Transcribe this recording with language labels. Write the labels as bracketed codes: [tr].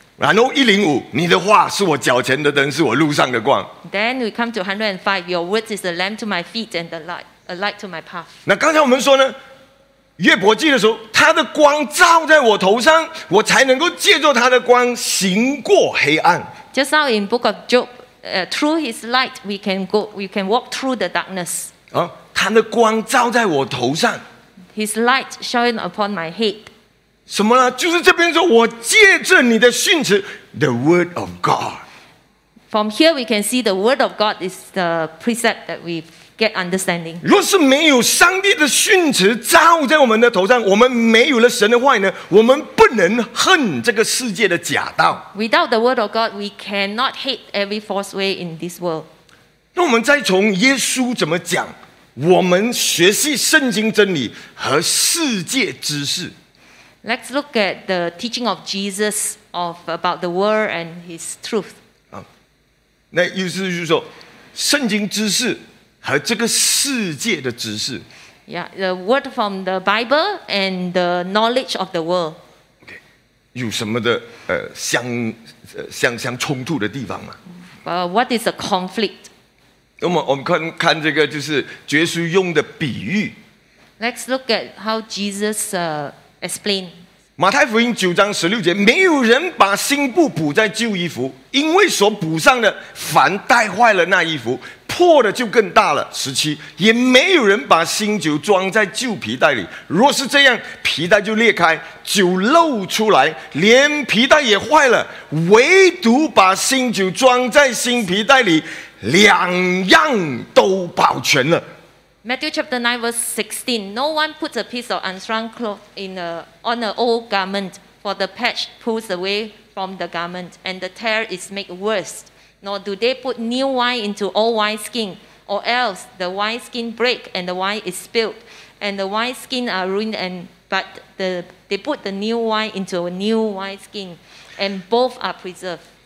[zh] 然后105，你的话是我脚前的灯，是我路上的光。 [en] Then we come to 105. Your words is a lamp to my feet and a light to my path. [zh] 那刚才我们说呢，约伯记的时候，他的光照在我头上，我才能够借着他的光行过黑暗。 [en] Just now in Book of Job, through his light we can walk through the darkness. [zh] 他的光照在我头上。 [en] His light shining upon my head. [zh] 什么呢？就是这边说，我借着你的训词 ， [en] the word of God。 From here we can see the word of God is the precept that we get understanding。 [zh] 若是没有上帝的训词照在我们的头上，我们没有了神的话呢，我们不能恨这个世界的假道。 [en] Without the word of God, we cannot hate every false way in this world。 [zh] 那我们再从耶稣怎么讲，我们学习圣经真理和世界知识。 [en] Let's look at the teaching of Jesus of about the world and his truth. [zh] 那意思就是说，圣经知识和这个世界的知识。 [en] Yeah, the word from the Bible and the knowledge of the world. Okay, [zh] 有什么的相冲突的地方吗？ [en] What is the conflict? [zh] 那么我们看这个就是耶稣用的比喻。 [en] Let's look at how Jesus explained. [zh] 马太福音九章十六节，没有人把新布补在旧衣服，因为所补上的凡带坏了那衣服，破的就更大了。十七，也没有人把新酒装在旧皮袋里，若是这样，皮袋就裂开，酒漏出来，连皮袋也坏了。唯独把新酒装在新皮袋里，两样都保全了。 [en] Matthew chapter 9 verse 16. No one puts a piece of unshrunk cloth on an old garment, for the patch pulls away from the garment, and the tear is made worse. Nor do they put new wine into old wineskin, or else the wineskin break and the wine is spilled, and the wineskin are ruined, but they put the new wine into a new wineskin, and both are preserved.